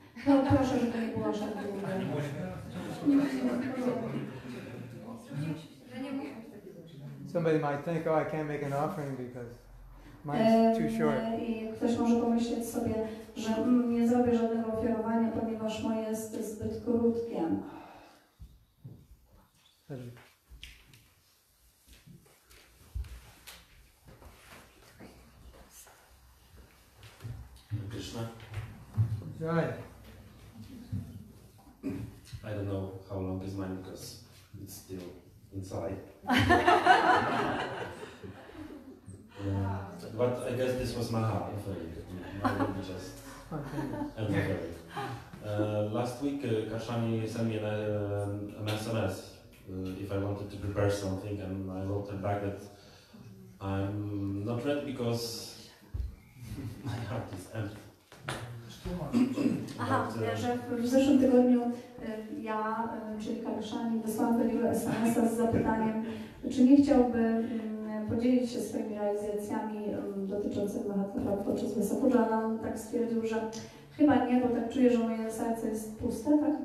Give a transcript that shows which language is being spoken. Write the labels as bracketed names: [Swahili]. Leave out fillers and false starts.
[Polish] No, proszę, żeby nie było aż tak długo. [English] Somebody might think, oh, I can't make an offering because mine's too short. [Polish] I ktoś może pomyśleć sobie, że nie zrobię żadnego ofiarowania, ponieważ moje jest zbyt krótkie. [English] Krishna. Right. I don't know how long is mine because it's still inside. but I guess this was Maha, if I would just end it. Last week, Kashani sent me an SMS if I wanted to prepare something, and I wrote her back that I'm not ready because my heart is empty. [Polish] Aha, że w zeszłym tygodniu ja, czyli Kaleszani, wysłałam do niego SMS-a z zapytaniem, czy nie chciałby podzielić się swoimi realizacjami dotyczącymi Mahatma podczas Vyasa-puja, ale on tak stwierdził, że chyba nie, bo tak czuję, że moje serce jest puste, tak?